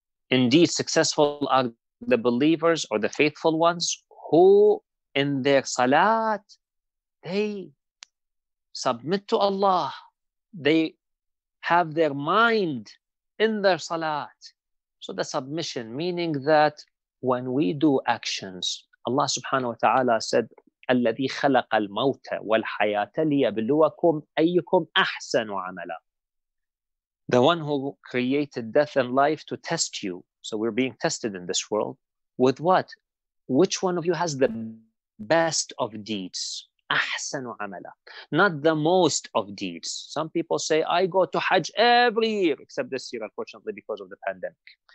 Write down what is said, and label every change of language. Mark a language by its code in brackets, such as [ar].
[en] Indeed, successful are the believers or the faithful ones who in their salat, they submit to Allah. They have their mind in their salat. So the submission, meaning that when we do actions, Allah subhanahu wa ta'ala said, [ar] الذي خلق الموت والحياة ليبلوكم أيكم أحسن عملا. [en] The one who created death and life to test you. So we're being tested in this world. With what? Which one of you has the best of deeds? [ar] أحسن عملا. [en] Not the most of deeds. Some people say, I go to Hajj every year, except this year, unfortunately, because of the pandemic.